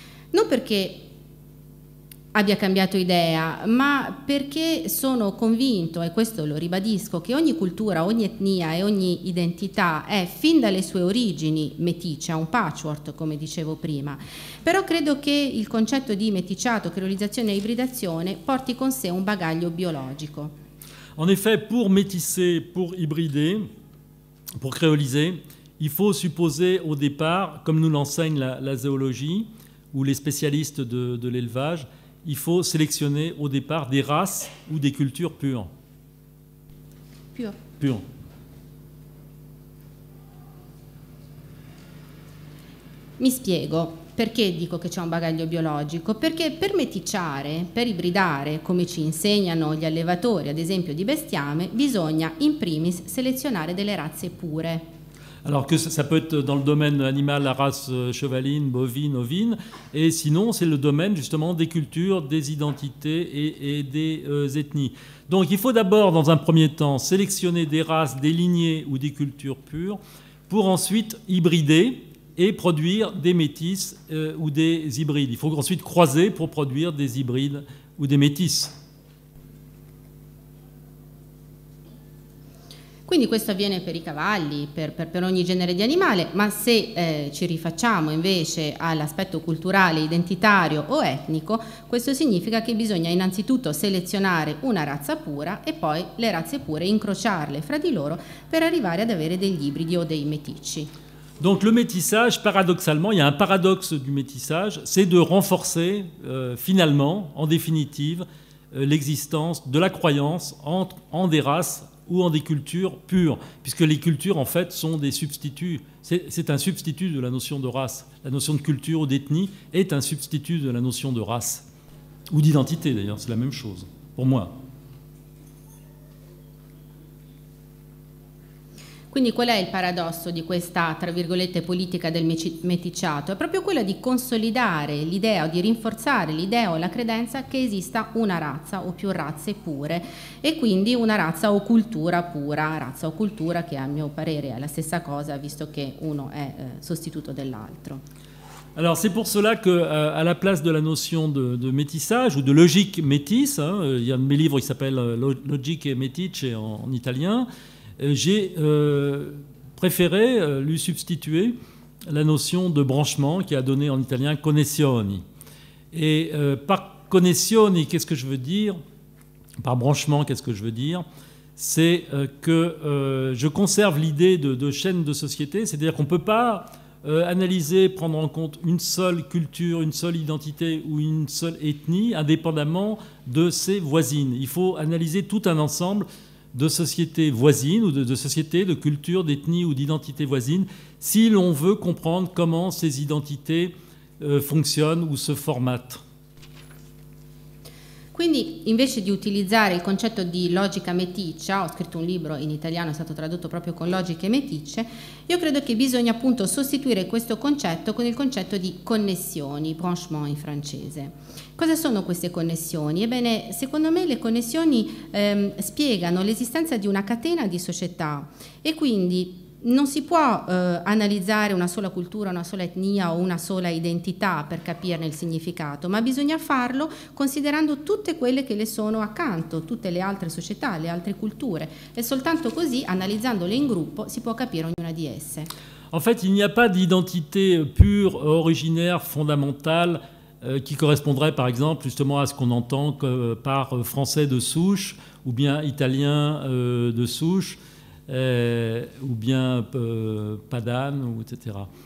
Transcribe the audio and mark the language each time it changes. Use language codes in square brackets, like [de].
[it] Non perché abbia cambiato idea, ma perché sono convinto, e questo lo ribadisco, che ogni cultura, ogni etnia e ogni identità è fin dalle sue origini meticcia, un patchwork, come dicevo prima. Però credo che il concetto di meticciato, creolizzazione e ibridazione porti con sé un bagaglio biologico. [fr] En effet, pour métisser, pour hybrider, pour créoliser, il faut supposer au départ, comme nous l'enseigne la zoologie ou les spécialistes de l'élevage, il faut sélectionner au départ des races ou des cultures pures. Pures. [it] Mi spiego. Perché dico che c'è un bagaglio biologico? Perché per meticciare, per ibridare, come ci insegnano gli allevatori, ad esempio di bestiame, bisogna in primis selezionare delle razze pure. [fr] Alors que ça peut être dans le domaine animal, la race chevaline, bovine, ovine, et sinon c'est le domaine justement des cultures, des identités et des ethnies. Donc il faut d'abord, dans un premier temps, sélectionner des races, des lignées ou des cultures pures, pour ensuite hybrider, et produire des métis ou des hybrides. Il faut ensuite croiser pour produire des hybrides ou des métis. [it] Quindi questo avviene per i cavalli, per ogni genere di animale, ma se ci rifacciamo invece all'aspetto culturale, identitario o etnico, questo significa che bisogna innanzitutto selezionare una razza pura e poi le razze pure incrociarle fra di loro per arrivare ad avere degli ibridi o dei meticci. [fr] Donc le métissage, paradoxalement, il y a un paradoxe du métissage, c'est de renforcer finalement, en définitive, l'existence de la croyance en des races ou en des cultures pures, puisque les cultures, en fait, sont des substituts. C'est un substitut de la notion de race. La notion de culture ou d'ethnie est un substitut de la notion de race, ou d'identité, d'ailleurs, c'est la même chose, pour moi. [it] Quindi qual è il paradosso di questa, tra virgolette, politica del meticciato? È proprio quella di consolidare l'idea o di rinforzare l'idea o la credenza che esista una razza o più razze pure e quindi una razza o cultura pura, razza o cultura che a mio parere è la stessa cosa visto che uno è sostituto dell'altro. [fr] Alors c'est pour cela que à la place de la notion de métissage ou de logique métisse, hein, il y a un de mes livres qui s'appelle Logique et métiche en italien, j'ai préféré lui substituer la notion de branchement qui a donné en italien connessioni. Et par connessioni, qu'est-ce que je veux dire ? Par branchement, qu'est-ce que je veux dire ? C'est que je conserve l'idée de chaîne de société, c'est-à-dire qu'on ne peut pas analyser, prendre en compte une seule culture, une seule identité ou une seule ethnie indépendamment de ses voisines. Il faut analyser tout un ensemble de sociétés voisines ou de sociétés, de cultures, d'ethnies ou d'identités voisines, si l'on veut comprendre comment ces identités fonctionnent ou se formatent. [it] Quindi, invece di utilizzare il concetto di logica meticcia, ho scritto un libro in italiano, è stato tradotto proprio con logiche meticce, io credo che bisogna appunto sostituire questo concetto con il concetto di connessioni, branchement in francese. Cosa sono queste connessioni? Ebbene, secondo me le connessioni spiegano l'esistenza di una catena di società e quindi non si può analizzare una sola cultura, una sola etnia o una sola identità per capirne il significato, ma bisogna farlo considerando tutte quelle che le sono accanto, tutte le altre società, le altre culture, e soltanto così, analizzandole in gruppo, si può capire ognuna di esse. [fr] En fait, il n'y a pas d'identité pure, originaire, fondamentale qui corresponderait par exemple justement à ce qu'on entend que, par français de souche ou bien italien de souche. Ou bien Padane, ou etc.